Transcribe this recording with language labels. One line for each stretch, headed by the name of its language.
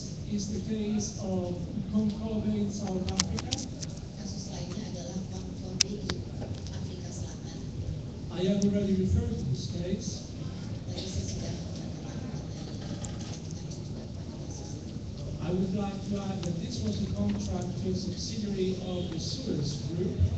English: Is the case of Concorde in South Africa.
Indonesian: Kasus lainnya adalah Concorde di Afrika Selatan.
English: I have already referred to this case.
Indonesian: Tadi saya sudah mengatakan.
English: I would like to add that this was a contract to a subsidiary of the Suez Group.